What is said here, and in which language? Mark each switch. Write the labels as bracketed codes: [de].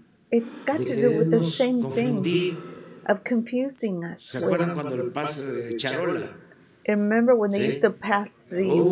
[en] It's got to do with the same thing. Of confusing us. [es] ¿Se acuerdan cuando el paso de Charola? [en] I remember when they used to pass the